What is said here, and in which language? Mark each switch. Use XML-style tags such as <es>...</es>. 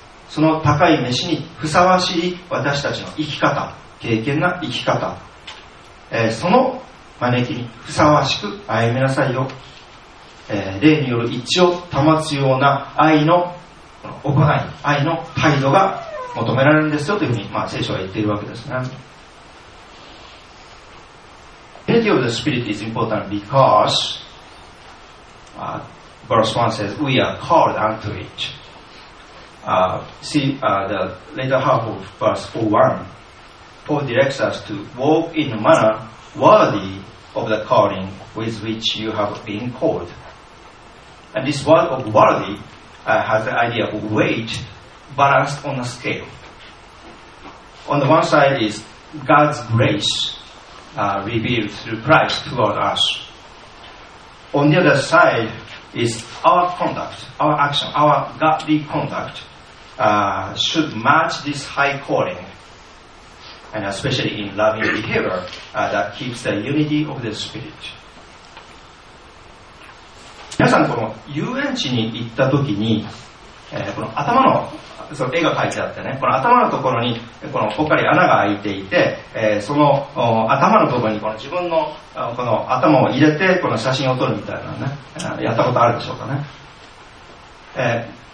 <ja>その高い飯にふさわしい私たちの生き方、敬虔な生き方。その招きにふさわしく歩みなさいよ、例による一致を保つような愛の行い、愛の態度が求められるんですよというふうに、聖書は言っているわけですね。</ja> <en>Unity of the Spirit is important because、verse 1 says we are called unto it. The later half of verse 4:1 Paul directs us to walk in a manner worthyof the calling with which you have been called. And this word of worthy has the idea of weight balanced on a scale. On the one side is God's grace revealed through Christ toward us. On the other side is our conduct, our action, our godly conduct should match this high calling. And especially in loving behavior that keeps the unity of the spirit.</en> <ja>皆さん、この遊園地に行ったときに、この頭の、その絵が描いてあってね、この頭のところにこのぽっかり穴が開いていて、その頭の部分にこの自分のこの頭を入れてこの写真を撮るみたいなね、やったことあるでしょうかね。</ja>